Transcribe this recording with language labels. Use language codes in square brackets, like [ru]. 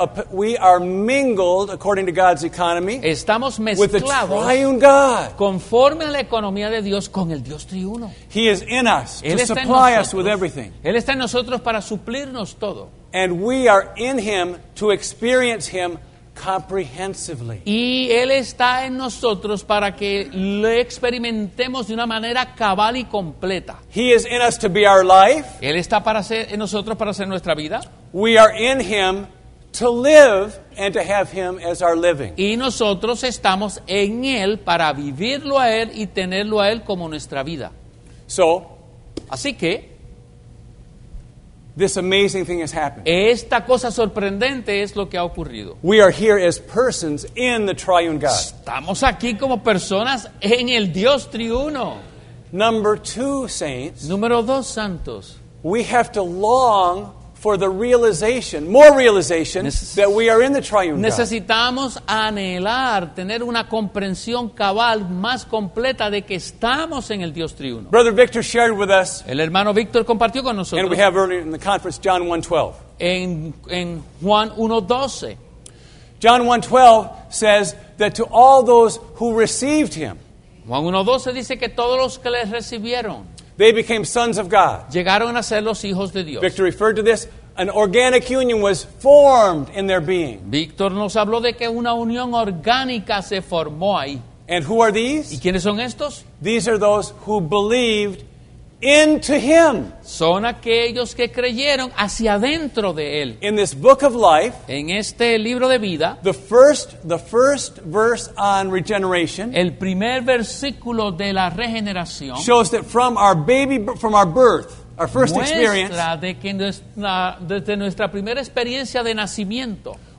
[en] we are mingled according to God's economy. [es] Estamos mezclados [en] with the triune God. [es] Conforme a la economía de Dios con el Dios triuno. [en] He is in us to supply us with everything. [es] Él está en nosotros para suplirnos todo. [en] And we are in him to experience him comprehensively. [es] Y él está en nosotros para que lo experimentemos de una manera cabal y completa. [en] He is in us to be our life. [es] Él está para ser en nosotros para ser nuestra vida. [en] We are in him to live and to have him as our living. [es] Y nosotros estamos en él para vivirlo a él y tenerlo a él como nuestra vida. [en] So, [es] así que [en] this amazing thing has happened. [es] Esta cosa sorprendente es lo que ha ocurrido. [en] We are here as persons in the triune God. [es] Estamos aquí como personas en el Dios triuno. [en] Number two, saints. [es] Número dos, santos. [en] We have to long for the realization, more realization, that we are in the triune God. [es] Necesitamos anhelar, tener una comprensión cabal más completa de que estamos en el Dios triuno. [en] Brother Victor shared with us. [es] El hermano Victor compartió con nosotros. [en] And we have earlier in the conference, John 1:12. [es] En Juan 1:12. [en] John 1:12 says that to all those who received him. [es] Juan 1:12 dice que todos los que les recibieron. [en] They became sons of God. [es] Llegaron a ser los hijos de Dios. [en] Victor referred to this an organic union was formed in their being. [es] Víctor nos habló de que una unión orgánica se formó ahí. [en] And who are these? [es] ¿Y quiénes son estos? [en] These are those who believed into him. [es] Son aquellos que creyeron hacia adentro de él. [en] In this book of life, [es] en este libro de vida, [en] the first verse on regeneration, [es] el primer versículo de la regeneración, [en] shows that from our birth, our first [es] muestra [en] experience, [es] de que desde nuestra primera experiencia de nacimiento,